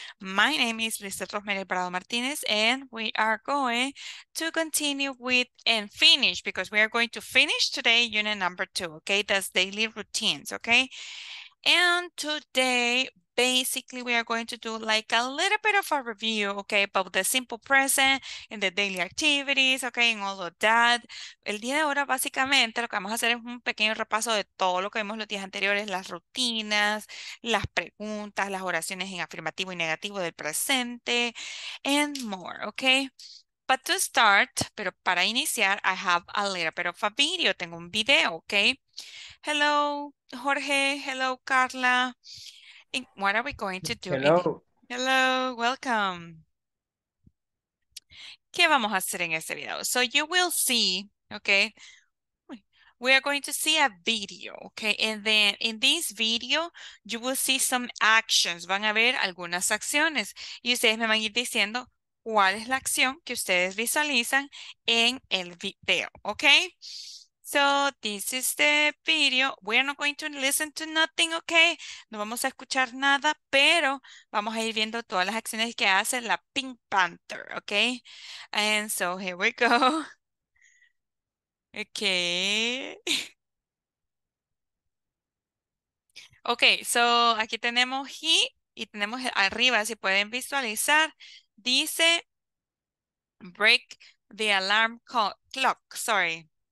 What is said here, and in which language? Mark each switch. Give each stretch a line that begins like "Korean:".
English: My name is Lisette Rosemary Prado Martinez, and we are going to continue with and finish because we are going to finish today unit number two, okay? That's daily routines, okay? And today, basically, we are going to do like a little bit of a review, okay, about the simple present and the daily activities, okay, and all of that.
Spanish: El día de ahora, básicamente, lo que vamos a hacer es un pequeño repaso de todo lo que vimos los días anteriores, las rutinas, las preguntas, las oraciones en afirmativo y negativo del presente,
English: and more, okay. But to start,
Spanish: pero para iniciar,
English: I have a little bit of a video,
Spanish: tengo un video,
English: okay. Hello, Jorge. Hello, Carla. And what are we going to do in it? Hello. Hello, welcome.
Spanish: ¿Qué vamos a hacer en este video?
English: So you will see, okay, we are going to see a video, okay, and then in this video, you will see some actions.
Spanish: Van a ver algunas acciones y ustedes me van a ir diciendo cuál es la acción que ustedes visualizan en el video, okay?
English: So, this is the video. We are not going to listen to nothing, okay?
Spanish: No vamos a escuchar nada, pero vamos a ir viendo todas las acciones que hace la Pink Panther, okay?
English: And so, here we go. Okay. Okay, so
Spanish: aquí tenemos he y tenemos arriba, si pueden visualizar, dice
English: break the alarm clock. Sorry.